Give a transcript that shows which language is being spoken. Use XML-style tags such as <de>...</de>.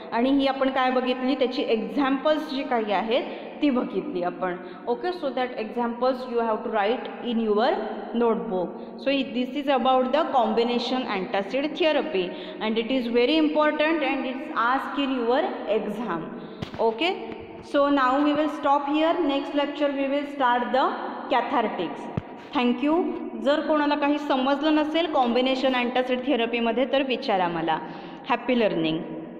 <mr>आणि ही आपण काय बघितली, त्याची एक्झाम्पल्स जी काही आहेत ती बघितली आपण.</mr> <en>Okay, so that examples you have to write in your notebook. So this is about the combination antacid therapy and it is very important and it's ask in your exam. Okay, so now we will stop here. Next lecture we will start the cathartics. Thank you.</en> <mr>जर कोणाला काही समजलं नसेल combination antacid थिअरपीमध्ये तर विचारा मला.</mr> <en>Happy learning.</en>